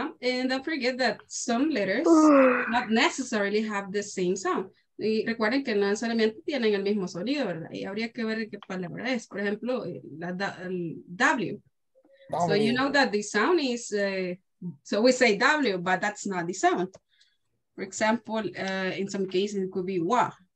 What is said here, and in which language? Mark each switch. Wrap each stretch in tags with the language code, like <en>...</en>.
<en>And don't forget that some letters not necessarily have the same sound.</en> <es>Y recuerden que no necesariamente tienen el mismo sonido, ¿verdad? Y habría que ver qué palabra es. Por ejemplo, el W.</es> <en>So you know that the sound is, so we say W, but that's not the sound. For example, in some cases it could be wa.</en>